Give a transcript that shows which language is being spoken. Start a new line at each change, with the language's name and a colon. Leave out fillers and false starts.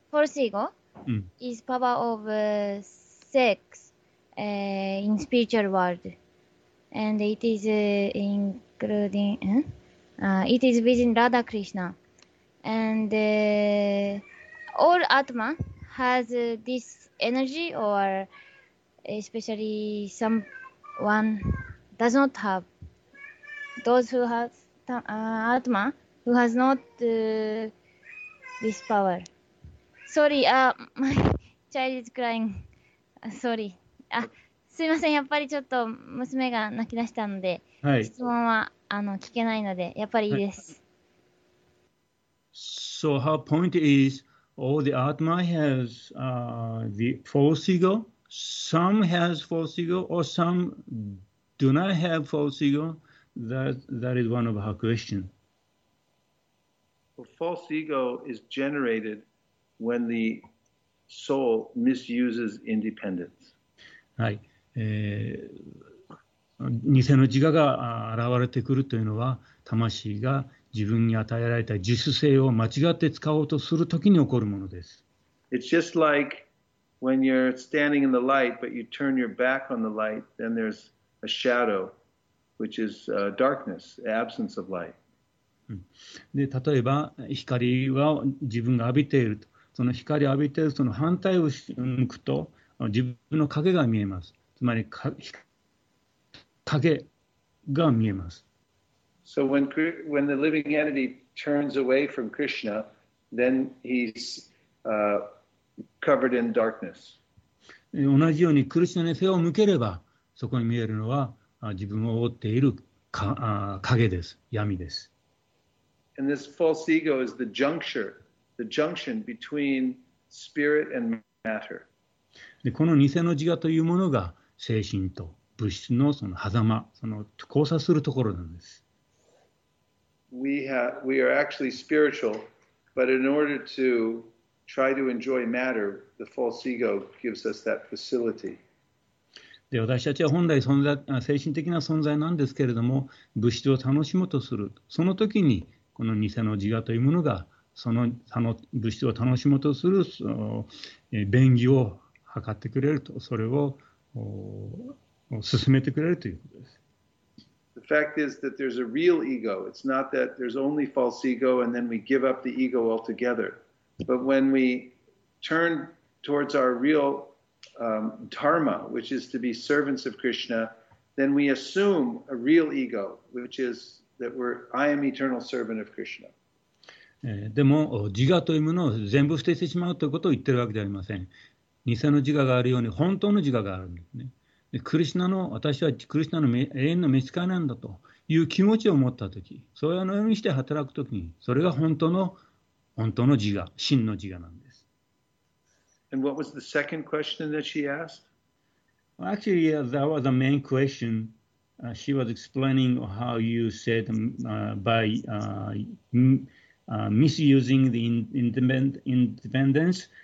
English: False ego、is power of sex、in spiritual world and it is including、it is within Radha Krishna and、all Atma has this energy or especially someone does not have those who has、Atma who has not、this power. Sorry,、my child is crying. Sorry.
Japanese: すいません、やっぱりちょっと娘が泣き出したので、はい、質問は聞けないので、やっぱりいいです。
English: はい、so her point is, all the Atma has、the false ego, some has false ego, or some do not have false ego, that is one of her questions. Well, false ego is generated when the soul misuses independence.
Japanese: はい、偽の自我が現れてくるというのは魂が自分に与えられた自主性を間違って使おうとするときに起こるものです。
English: It's just like when you're standing in the light but you turn your back on the light then there's a shadow which is darkness, absence of light.
Japanese: で、例えば光は自分が浴びていると、その光を浴びているその反対を向くと自分の影が見えます。つまり影が見えます。
English: So when the living entity turns away from Krishna, then he's covered in darkness.
Japanese: 同じようにクリシナに背を向ければ、そこに見えるのは自分を覆っている影です。闇です。
English: And this false ego is the junction between spirit and matter.
Japanese: でこの偽の自我というものが精神と物質のその狭間、その交差するところなんです。
English: We are actually spiritual, but in order to try to enjoy matter, the false ego gives us that facility.
Japanese: で私たちは本来存在、精神的な存在なんですけれども、物質を楽しもうとする。その時にこの偽の自我というものが、その物質を楽しもうとする便宜を測ってくれると、それを進めてくれるということです。
English: The fact is that there's a real ego. It's not that there's only false ego and then we give up the ego altogether. But when we turn towards our real dharma, which is to be servants of Krishna, then we assume a real ego, which is that we're I am eternal servant of Krishna.
Japanese: でも自我というものを全部捨ててしまうということを言ってるわけではありません。偽の自我があるように本当の自我があるんですね。で、クリシナの私はクリシナの永遠の召使いなんだという気持ちを持ったとき、そういうようにして働くときに、それが本当の自我、真の自我なんです。
English: And what was the second question that she asked? Well, actually, yeah, that was the main question. She was explaining how you said misusing the independence.